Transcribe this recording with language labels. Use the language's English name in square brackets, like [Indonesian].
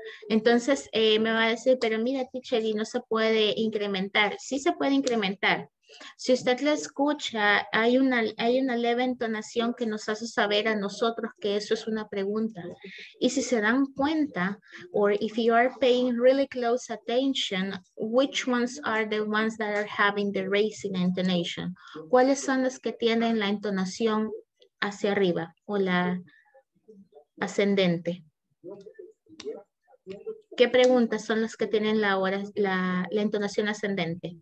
[Spanish] Entonces me va a decir, pero mira, teacher, y no se puede incrementar. Sí se puede incrementar. Si usted le escucha, hay una leve entonación que nos hace saber a nosotros que eso es una pregunta. Y si se dan cuenta, [English] or if you are paying really close attention, which ones are the ones that are having the raising intonation? [Spanish] ¿Cuáles son las que tienen la entonación hacia arriba o la ascendente? ¿Qué preguntas son las que tienen la entonación ascendente?